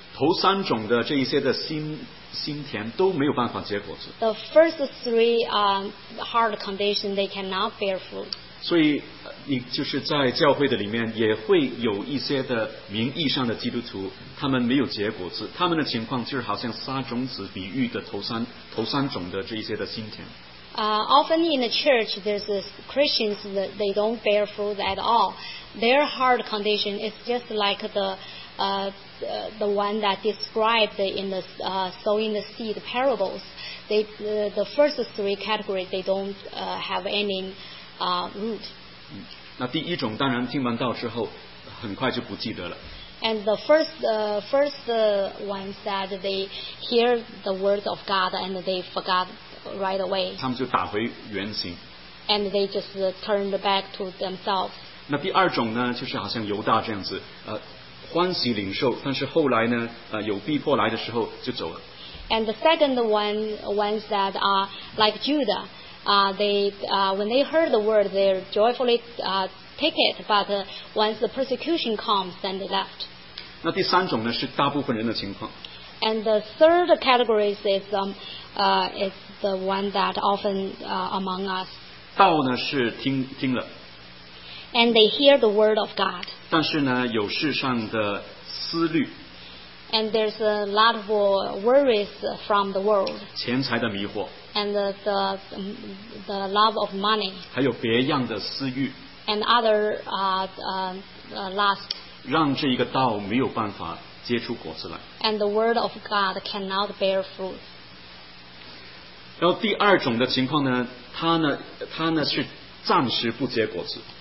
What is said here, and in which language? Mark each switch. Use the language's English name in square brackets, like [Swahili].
[Chinese] 头三种的这一些的心田都没有办法结果子。 [English] The first three hard condition they cannot bear fruit. [Chinese] 所以你就是在教会的里面也会有一些的名义上的基督徒，他们没有结果子，他们的情况就是好像撒种子比喻的头三种的这一些的心田。 [English] Often in the church, there's Christians that they don't bear fruit at all. Their heart condition is just like the one that described in the sowing the seed parables. They, the first three categories, they don't have any root. [Chinese] 那第一种当然听完道之后，很快就不记得了。 [English] And the first one said they hear the words of God and they forgot right away. [Chinese] 他们就打回原形。 [English] And they just turned back to themselves. [Chinese] 那第二种呢，就是好像犹大这样子，欢喜领受，但是后来呢，有逼迫来的时候就走了。 [English] And the second ones that are like Judah, when they heard the word, they're joyfully take it, but once the persecution comes, then they left. [Chinese] 那第三种呢，是大部分人的情况。 [English] And the third category is the one that often among us. [Chinese] 道呢是听了。 [English] And they hear the word of God. [Chinese] 但是呢，有世上的思虑。 [English] And there's a lot of worries from the world. [Chinese] 钱财的迷惑。 [English] And the love of money. [Chinese] 还有别样的私欲。 [English] And other lust, [Chinese] 让这一个道没有办法结出果子来。 [English] And the word of God cannot bear fruit. [Chinese] 然后第二种的情况呢，它呢是暂时不结果子。